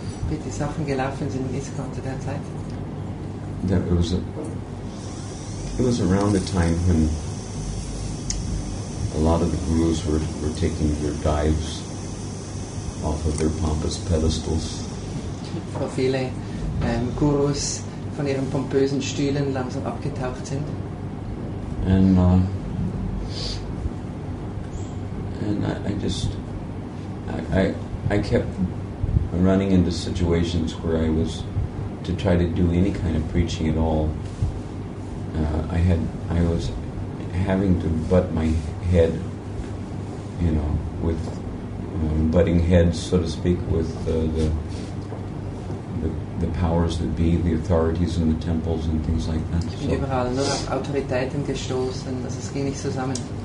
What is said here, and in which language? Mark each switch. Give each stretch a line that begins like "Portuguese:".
German: Wie die Sachen gelaufen sind in ISKCON zu der Zeit.
English: that it was it was around the time when a lot of the gurus were taking their dives off of their pompous pedestals.
German: Vor viele Gurus von ihren pompösen Stühlen langsam abgetaucht sind.
English: And I kept running into situations where I was to try to do any kind of preaching at all. I was having to butt my head, you know, with butting heads, so to speak, with the powers that be, the authorities in the temples and things like that.
German: Ich bin überall nur auf Autoritäten gestoßen, also es ging nicht zusammen.